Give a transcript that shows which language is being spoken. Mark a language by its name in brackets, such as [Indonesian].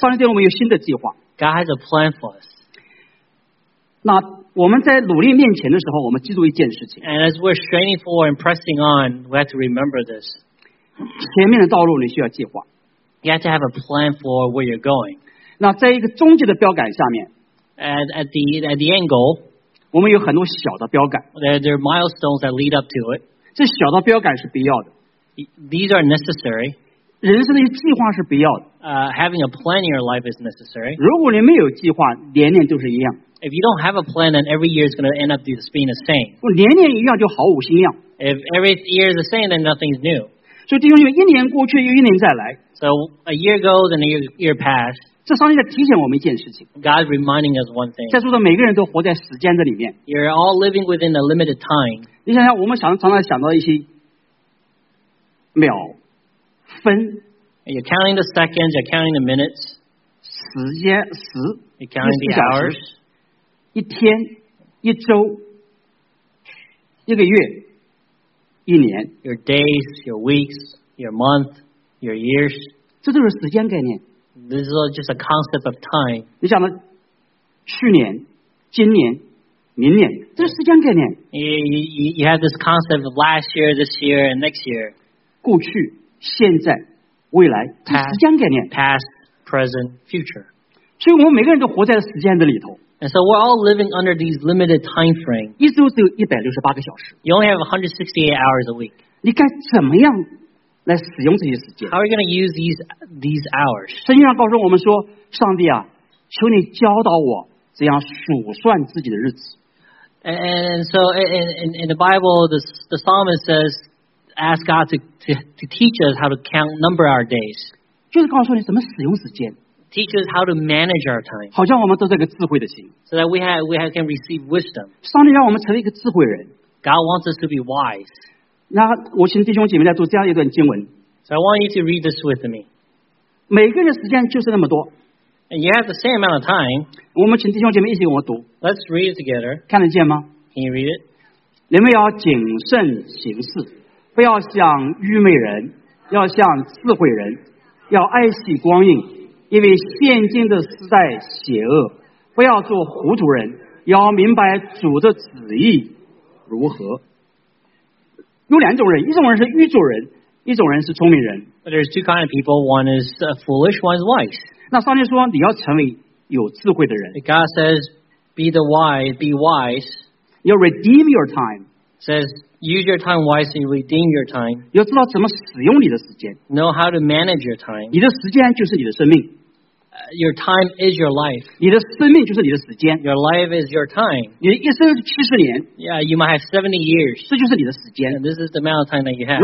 [Chinese] 上帝对我们有新的计划。 [English] God has a plan for us. [Chinese] 那我们在努力面前的时候，我们记住一件事情。 [English] And as we're straining forward and pressing on, we have to remember this. [Chinese] 前面的道路你需要计划。 [English] You have to have a plan for where you're going. [Chinese] 那在一个终极的标杆下面 [English] at the end goal [Chinese] 我们有很多小的标杆 [English] there are milestones that lead up to it [Chinese] 这小的标杆是必要的 [English] these are necessary [Chinese] 人生的计划是必要的 [English] having a plan in your life is necessary [Chinese] 如果你没有计划年年都是一样 [English] if you don't have a plan then every year is going to end up being the same [Chinese] 年年一样就毫无新样 [English] if every year is the same then nothing is new [Chinese] 所以弟兄们一年过去又一年再来 [English] so a year goes and a year passes [Chinese] 这上帝在提醒我们一件事情。 [English] God reminding us one thing. [Chinese] 在座的每个人都活在时间的里面。 [English] You're all living within a limited time. [Chinese] 你想想，我们常常想到一些秒、分。 [English] You're counting the seconds. You're counting the minutes. [Chinese] 时间时。 [English] You're counting the hours. [Chinese] 一天、一周、这个月一年 [English] your days, your weeks, your month, your years, [Chinese] 这就是时间概念。 [English] This is just a concept of time. [Chinese] 你想呢？去年、今年、明年，这是时间概念。 [English] You have this concept of last year, this year, and next year. [Chinese] 过去、现在、未来，这是时间概念。 [English] Past, present, future. [Chinese] 所以我们每个人都活在时间的里头。 [English] And so we're all living under these limited time frame. [Chinese] 一周只有168个小时。 [English] You only have 168 hours a week. [Chinese] 你该怎么样来使用这些时间？ [English] How are you going to use these hours? [Chinese] 圣经上告诉我们说，上帝啊，求你教导我怎样数算自己的日子。 [English] And so in the Bible, the psalmist says, ask God to teach us how to count number our days. [Chinese] 就是告诉你怎么使用时间。 [English] Teach us how to manage our time. [Chinese] 好像我们都是一个智慧的心。 [English] So that we can receive wisdom. [Chinese] 上帝让我们成为一个智慧人。 [English] God wants us to be wise. [Chinese] 那我请弟兄姐妹来读这样一段经文。 [English] So I want you to read this with me. [Chinese] 每个人的时间就是那么多。 [English] And you have the same amount of time. [Chinese] 我们请弟兄姐妹一起跟我读。 [English] Let's read it together. [Chinese] 看得见吗？ [English] Can you read it? [Chinese] 你们要谨慎行事，不要像愚昧人，要像智慧人，要爱惜光阴。因为现今的时代邪恶，不要做糊涂人，要明白主的旨意如何。有两种人，一种人是愚拙人，一种人是聪明人。 [English] There's two kinds of people. One is foolish, one is wise. [Chinese] 那上帝说你要成为有智慧的人。 [English] God says, be the wise, be wise. [Chinese] 要 [English] redeem your time. Says, use your time wisely, redeem your time. [Chinese] 要知道怎么使用你的时间。 [English] Know how to manage your time. [Chinese] 你的时间就是你的生命。 [English] Your time is your life. [Chinese] 你的生命就是你的时间。 [English] Your life is your time. [Chinese] 你的一生是七十年。 [English] Yeah, you might have 70 years. [Chinese] 这就是你的时间。 [English] And this is the amount of time that you have.